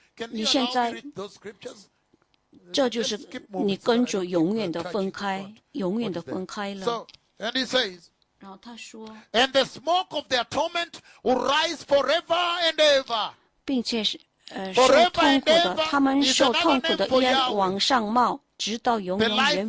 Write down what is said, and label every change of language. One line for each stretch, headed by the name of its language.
Chinese: 你现在，这就是你跟主永远的分开，永远的分开了。然后他说
English: And the smoke of their torment will rise forever and ever.
Chinese: 并且受痛苦的他们受痛苦的烟往上冒直到永永远远